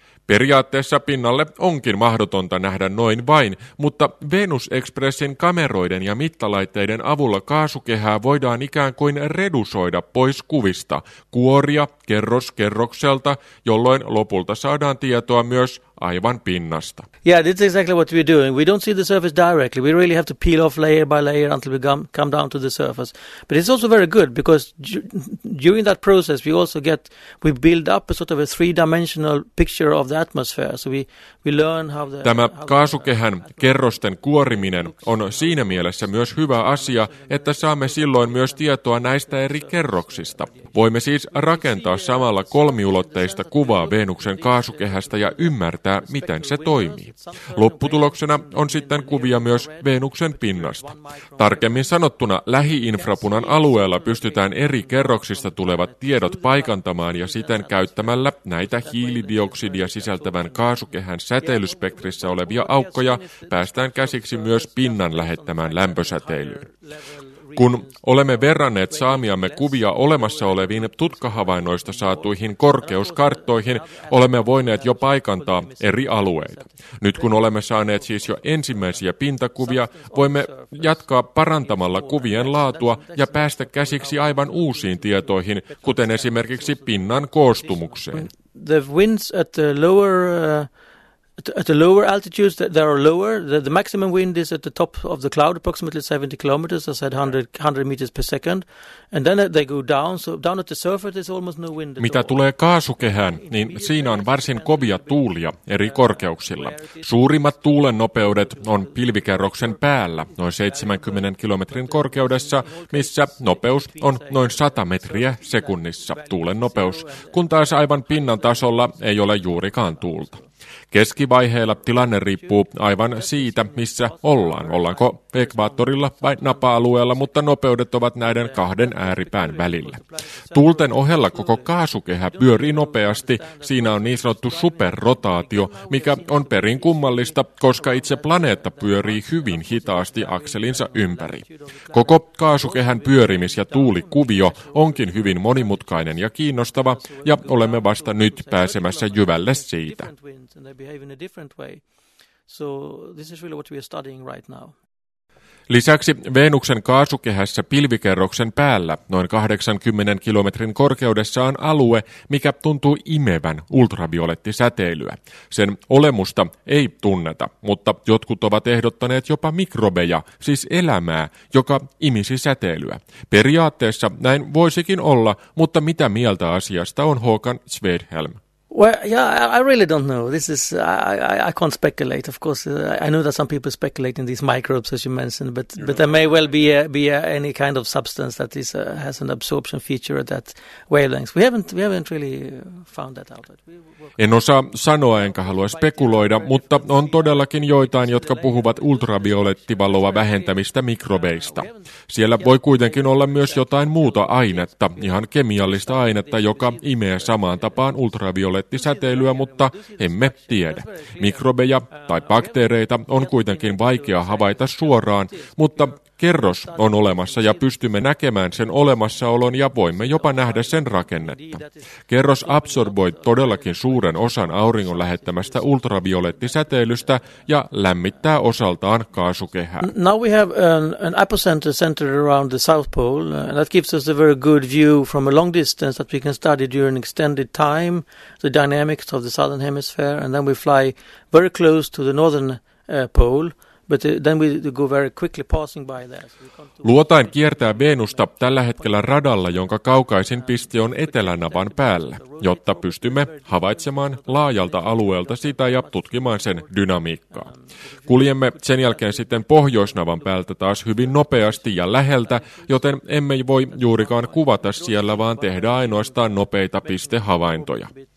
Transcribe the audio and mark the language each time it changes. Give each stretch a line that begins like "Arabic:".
Finnish: Periaatteessa pinnalle onkin mahdotonta nähdä noin vain, mutta Venus Expressin kameroiden ja mittalaitteiden avulla kaasukehää voidaan ikään kuin redusoida pois kuvista, kuoria kerros kerrokselta, jolloin lopulta saadaan tietoa myös aivan pinnasta.
English: Yeah, this is exactly what we're doing. We don't see the surface directly. We really have to peel off layer by layer until we come down to the surface. But it's also very good because during that process, we also get, we build up a sort of a three-dimensional picture of the atmosphere. So we learn how the...
Finnish: Tämä kaasukehän kerrosten kuoriminen on siinä mielessä myös hyvä asia, että saamme silloin myös tietoa näistä eri kerroksista. Voimme siis rakentaa samalla kolmiulotteista kuvaa Venuksen kaasukehästä ja ymmärtää, miten se toimii. Lopputuloksena on sitten kuvia myös Venuksen pinnasta. Tarkemmin sanottuna lähi-infrapunan alueella pystytään eri kerroksista tulevat tiedot paikantamaan ja siten käyttämällä näitä hiilidioksidia sisältävän kaasukehän säteilyspektrissä olevia aukkoja päästään käsiksi myös pinnan lähettämään lämpösäteilyyn. Kun olemme verranneet saamiamme kuvia olemassa oleviin tutkahavainnoista saatuihin korkeuskarttoihin, olemme voineet jo paikantaa eri alueita. Nyt kun olemme saaneet siis jo ensimmäisiä pintakuvia, voimme jatkaa parantamalla kuvien laatua ja päästä käsiksi aivan uusiin tietoihin, kuten esimerkiksi pinnan koostumukseen.
English: The winds at the lower... At the lower altitudes, they are lower. The maximum wind is at the top of the cloud, approximately 70 kilometers. I said 100 meters per second, and then they go down. So down at the surface, there's almost no wind.
Finnish: Mitä tulee kaasukehään, niin siinä on varsin kovia tuulia eri korkeuksilla. Suurimmat tuulen nopeudet on pilvikerroksen päällä, noin 70 kilometrin korkeudessa, missä nopeus on noin 100 metriä sekunnissa tuulen nopeus, kun taas aivan pinnan tasolla ei ole juurikaan tuulta. Keskivaiheilla tilanne riippuu aivan siitä, missä ollaan. Ollaanko ekvaattorilla vai napa-alueella, mutta nopeudet ovat näiden kahden ääripään välillä. Tuulten ohella koko kaasukehä pyörii nopeasti. Siinä on niin sanottu superrotaatio, mikä on perin kummallista, koska itse planeetta pyörii hyvin hitaasti akselinsa ympäri. Koko kaasukehän pyörimis- ja tuulikuvio onkin hyvin monimutkainen ja kiinnostava, ja olemme vasta nyt pääsemässä jyvälle siitä.
English: Behave in a different way. So this is really what we are studying right now.
Finnish: Lisäksi Venuksen kaasukehässä pilvikerroksen päällä noin 80 kilometrin korkeudessa on alue, mikä tuntuu imevän ultraviolettisäteilyä. Sen olemusta ei tunneta, mutta jotkut ovat ehdottaneet jopa mikrobeja, siis elämää, joka imisi säteilyä. Periaatteessa näin voisikin olla, mutta mitä mieltä asiasta on Håkan Svedhelm?
English: Well, yeah, I really don't know. This is I can't speculate. Of course, I know that some people speculate in these microbes, as you mentioned, but there may well be any kind of substance that is has an absorption feature at that wavelength. We haven't really found that out.
Finnish: En osaa sanoa, enkä halua spekuloida, mutta on todellakin joitain, jotka puhuvat ultraviolettivaloa vähentämistä mikrobeista. Siellä voi kuitenkin olla myös jotain muuta ainetta, ihan kemiallista ainetta, joka imee samaan tapaan ultraviolettisäteilyä, mutta emme tiedä. Mikrobeja tai bakteereita on kuitenkin vaikea havaita suoraan, mutta kerros on olemassa ja pystymme näkemään sen olemassaolon ja voimme jopa nähdä sen rakennetta. Kerros absorboi todellakin suuren osan auringon lähettämästä ultraviolettisäteilystä ja lämmittää osaltaan kaasukehää.
English: Now we have an epicenter centered around the South Pole, and that gives us a very good view from a long distance that we can study during extended time the dynamics of the southern hemisphere, and then we fly very close to the northern pole. But then we go very quickly passing by there.
Finnish: Luotain kiertää Venusta tällä hetkellä radalla, jonka kaukaisin piste on etelänavan päällä, jotta pystymme havaitsemaan laajalta alueelta sitä ja tutkimaan sen dynamiikkaa. Kuljemme sen jälkeen sitten pohjoisnavan päältä taas hyvin nopeasti ja läheltä, joten emme voi juurikaan kuvata siellä, vaan tehdä ainoastaan nopeita pistehavaintoja.